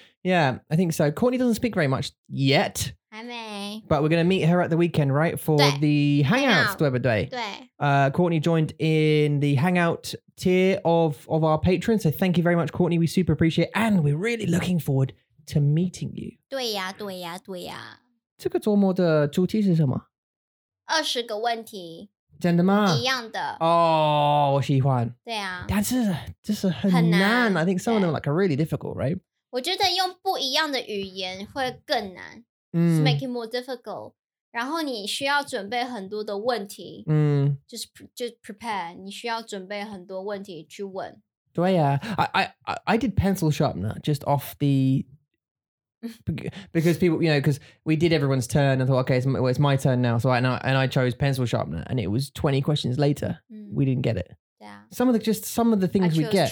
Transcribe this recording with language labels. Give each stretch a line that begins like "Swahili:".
English: Yeah, I think so. Courtney doesn't speak very much yet.
Chinese: 还没。
English: But we're going to meet her at the weekend, right? For the Hangouts,
Chinese: 对不对? 对。
English: Courtney joined in the Hangout tier of our patrons. So thank you very much, Courtney. We super appreciate it. And we're really looking forward to meeting you.
Chinese: 对呀,对呀,对呀。这个周末的主题是什么? 二十个问题，真的吗？一样的哦，我喜欢。对啊，但是就是很难。
English: I think some of them like are really difficult, right?
Chinese: 我觉得用不一样的语言会更难。
English: Make it more difficult.
Chinese: 然后你需要准备很多的问题。
English: Just prepare.
Chinese: 你需要准备很多问题去问。对啊
English: I did pencil sharpener just off the. Because people, you know, because we did everyone's turn, I thought, okay, it's my turn now. So I chose pencil sharpener, and it was 20 questions later. We didn't get it. Yeah. Some of the things we get.